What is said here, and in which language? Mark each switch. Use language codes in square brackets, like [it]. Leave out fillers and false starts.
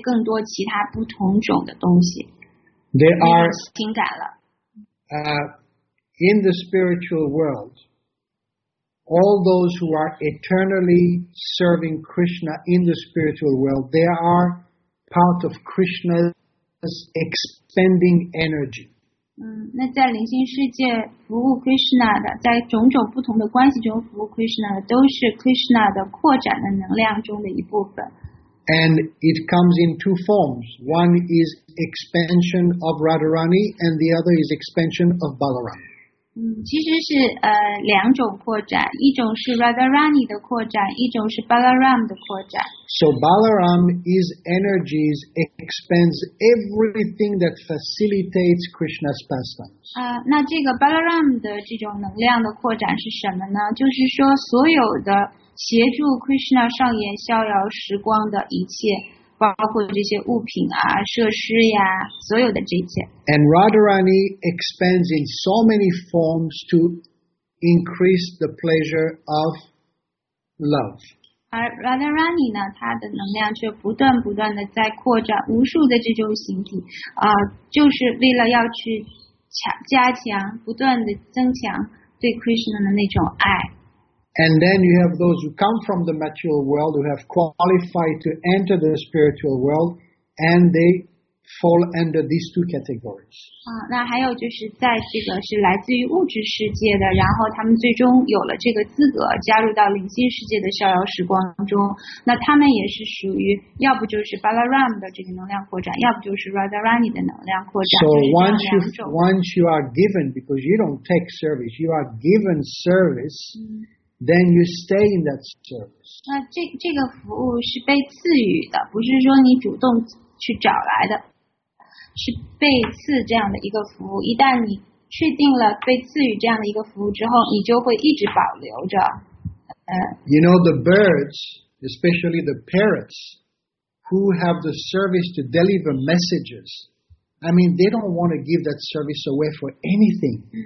[zh] 所以说呢，在这种服务当中，你就没有必要再去体会更多其他不同种的东西。There [en] are [zh] 情感了。 [en] In the spiritual world, all those who are eternally serving Krishna in the spiritual world, they are part of Krishna's expanding energy. [zh] 那在灵性世界服务 Krishna 的，在种种不同的关系中服务 Krishna 的，都是 Krishna 的扩展的能量中的一部分。And [en] it comes in two forms. One is expansion of Radharani, and the other is expansion of Balarama. [zh] 其实是两种扩展，一种是 Radharani 的扩展，一种是 Balaram 的扩展。 [en] So Balaram is energies expands everything that facilitates Krishna's pastimes. [zh] 那这个 Balaram 的这种能量的扩展是什么呢？就是说所有的协助 Krishna 上演逍遥时光的一切。包括这些物品啊、设施呀，所有的这些。 [en] And Radharani expands in so many forms to increase the pleasure of love. [zh] 而 Radharani 呢，它的能量却不断不断的在扩展，无数的这种形体，就是为了要去加强、不断的增强对 Krishna 的那种爱。 [en] And then you have those who come from the material world who have qualified to enter the spiritual world, and they fall under these two categories. [zh] 那还有就是在这个是来自于物质世界的，然后他们最终有了这个资格加入到灵性世界的逍遥时光中。那他们也是属于要不就是 Balaram 的这个能量扩展，要不就是 Radharani 的能量扩展。 [en] So once you are given, because you don't take service, you are given service.、Then you stay in that service. [zh] 那这个服务是被赐予的，不是说你主动去找来的，是被赐这样的一个服务。一旦你确定了被赐予这样的一个服务之后，你就会一直保留着。 [en] You know the birds, especially the parrots, who have the service to deliver messages. I mean, they don't want to give that service away for anything.